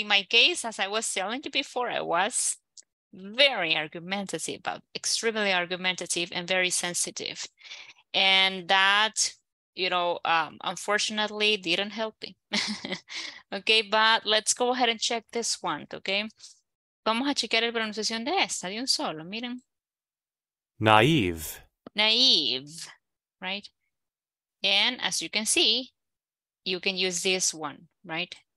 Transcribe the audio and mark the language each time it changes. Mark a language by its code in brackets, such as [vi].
[en] In my case, as I was telling you before, I was very argumentative, but extremely argumentative and very sensitive. And that, you know, unfortunately didn't help me. Okay, but let's go ahead and check this one, okay? [es] Vamos a chequear la pronunciación de esta, de un solo, miren. [en] Naive. Naive, right? And as you can see, you can use this one, right?